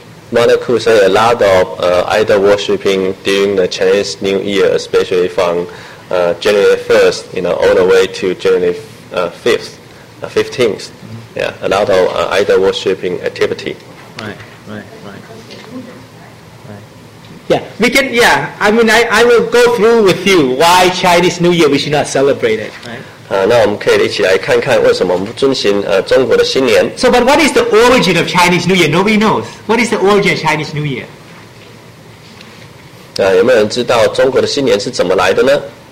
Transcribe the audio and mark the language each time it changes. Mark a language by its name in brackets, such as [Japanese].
[English] Monaco say a lot of idol worshipping during the Chinese New Year, especially from January 1st, you know, all the way to January 15th. Mm-hmm. Yeah, a lot of idol worshipping activity. Right. Yeah, we can, yeah, I mean, I will go through with you why Chinese New Year we should not celebrate it, right? [Chinese] 那我们可以一起来看看为什么我们不遵循中国的新年。 [English] So, but what is the origin of Chinese New Year? Nobody knows. What is the origin of Chinese New Year? [Chinese] 有没有人知道中国的新年是怎么来的呢？